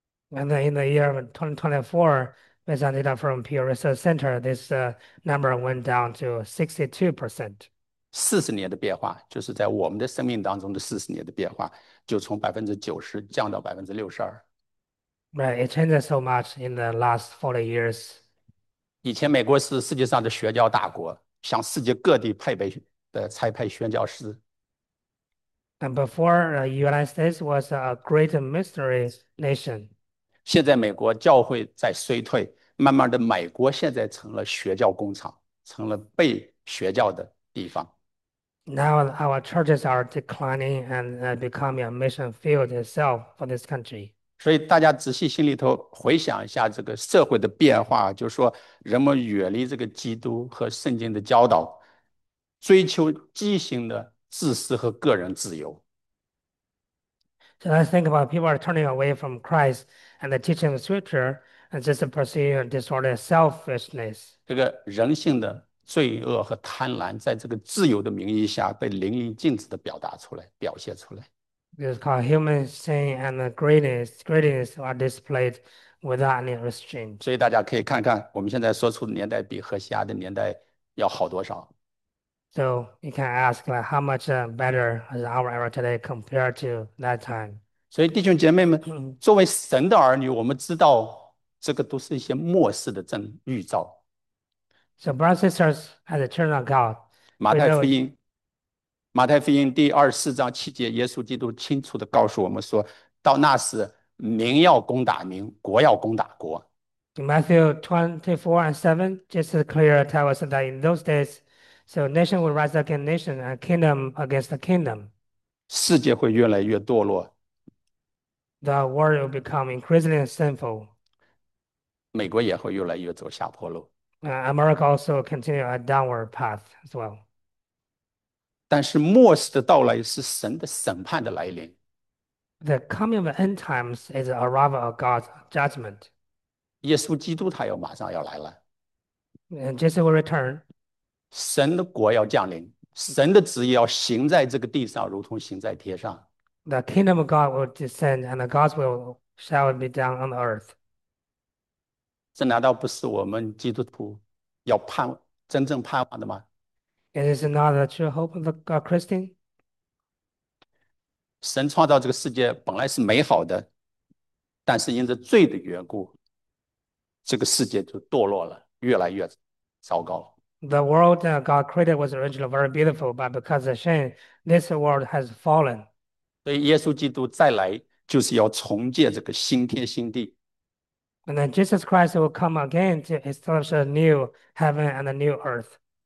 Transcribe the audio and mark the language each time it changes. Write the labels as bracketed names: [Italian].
[English] And then in the year of 2024, based on data from Pew Research Center, this number went down to 62%. [Chinese] 40年的变化，就是在我们的生命当中的40年的变化，就从90%降到62%。 [English] Right, it changes so much in the last 40 years. [Chinese] 以前美国是世界上的学教大国。向世界各地配备的差派宣教师， [English] And before, the United States was a great missionary nation. [Chinese] 现在美国教会在衰退，慢慢的，美国现在成了学教工厂，成了被学教的地方。 [English] Now our churches are declining and becoming a mission field itself for this country. [Chinese] 所以大家仔细心里头回想一下这个社会的变化，就是说人们远离这个基督和圣经的教导，追求畸形的自私和个人自由。 [English] So let's think about people are turning away from Christ and the teaching of Scripture and just pursuing disordered selfishness. [Chinese] 这个人性的罪恶和贪婪，在这个自由的名义下被淋漓尽致地表达出来，表现出来。 [English] It's called human sin and greediness are displayed without any restraint. [Chinese] 所以大家可以看看，我们现在所处的年代比荷西阿的年代要好多少。 [English] So you can ask, like, how much better is our era today compared to that time? [Chinese] 所以弟兄姐妹们，作为神的儿女，我们知道这个都是一些末世的预兆。 [English] So, brothers and sisters, as the children of God, we know. [Chinese] 马太福音第24章7节，耶稣基督清楚地告诉我们说，到那时，民要攻打民，国要攻打国。 [English] In Matthew 24 and 7, Jesus clearly tells us that in those days, so nation will rise against nation and kingdom against the kingdom. [Chinese] 世界会越来越堕落。 [English] The world will become increasingly sinful. [Chinese] 美国也会越来越走下坡路。 [English] America also continue a downward path as well. [Chinese] 但是末世的到来是神的审判的来临。 [English] The coming of end times is the arrival of God's judgment. [Chinese] 耶稣基督他要马上要来了。 [English] And Jesus will return. [Chinese] 神的国要降临。神的旨意要行在这个地上，如同行在天上。 [English] The kingdom of God will descend, and the God's will shall be done on earth. [Chinese] 这难道不是我们基督徒要真正盼望的吗？ [English] It is not the true hope of the Christian. [Chinese] 神创造这个世界本来是美好的，但是因着罪的缘故，这个世界就堕落了，越来越糟糕。 [English] The world that God created was originally very beautiful, but because of sin, this world has fallen. [Chinese] 所以，耶稣基督再来就是要重建这个新天新地。 [English] And then Jesus Christ will come again to establish a new heaven and a new earth.